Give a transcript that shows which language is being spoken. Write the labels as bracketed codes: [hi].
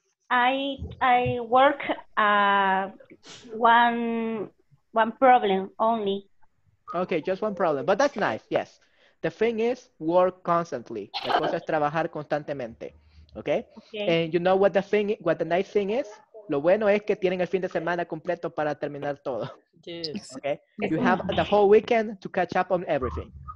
[en] I work one problem only. Okay, just one problem, but that's nice, yes. The thing is work constantly. [es] La cosa es trabajar constantemente. [en] Okay? Okay. And you know what the nice thing is? [es] Lo bueno es que tienen el fin de semana completo para terminar todo. [en] Yes. Okay? You have the whole weekend to catch up on everything.